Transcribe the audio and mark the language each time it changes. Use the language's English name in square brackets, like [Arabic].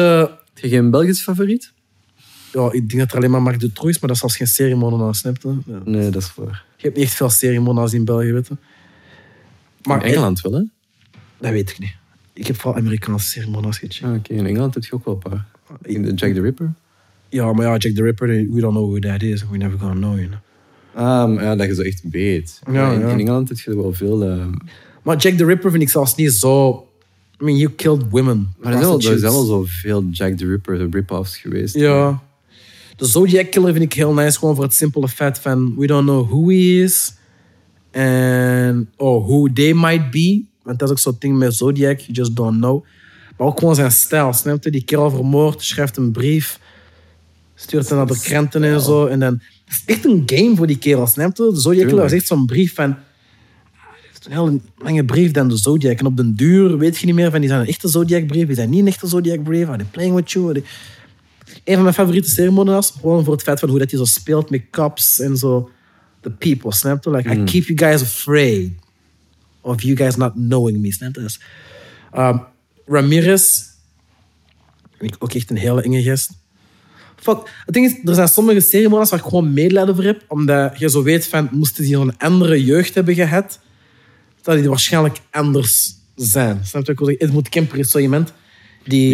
[Dutch] Heb je geen Belgisch favoriet? Ja, ik denk dat er alleen maar Marc Dutroux is, maar dat is als geen seriemoordenaar, snap je? Ja. Nee, dat is waar. Je hebt niet echt veel seriemoordenaars in België, weet je. Maar in Engeland wel, hè? Dat weet ik niet. Ik heb vooral Amerikaanse seriemoordenaars gecheckt. Ah, oké, in Engeland heb je ook wel een paar. Jack the Ripper? Ja, maar ja, [English] Jack the Ripper, we don't know who that is. We're never gonna know, you know. [Dutch] Ah, maar ja, dat je zo echt weet. Ja, in Engeland heb je er wel veel... Maar Jack the Ripper vind ik zelfs niet zo... [English] I mean, you killed women. [Dutch] Maar er zijn wel zo veel Jack the Ripper de rip-offs geweest. Ja. De Zodiac Killer vind ik heel nice, gewoon voor het simpele feit van... [English] We don't know who he is. [Dutch] En [English] who they might be. [Dutch] Want dat is ook zo'n ding met Zodiac. [English] You just don't know. [Dutch] Maar ook gewoon zijn stijl. Snap je? Die kerel vermoord, schrijft een brief. Stuurt hem naar de krenten en zo. En dan... Het is echt een game voor die kerel. Snap je? Zodiac is echt zo'n brief van... Een heel lange brief dan de Zodiac. En op den duur weet je niet meer van... Die zijn een echte Zodiac brief. Die zijn niet een echte Zodiac brief. [English] Are they playing with you? [Dutch] Een van mijn favoriete seriemodenaars. Gewoon voor het feit van hoe dat hij zo speelt met cops en zo. [English] The people, [Dutch] snap je? [English] Like, I keep you guys afraid of you guys not knowing me, [Dutch] snap je? Ramirez. Ik ook echt een hele enge gest. Fuck. Het ding is, er zijn sommige seriemodenaars waar ik gewoon medelijden voor heb. Omdat je zo weet van, moesten die een andere jeugd hebben gehad... Dat die waarschijnlijk anders zijn. Snap je? Edmund Kemper is zo iemand die...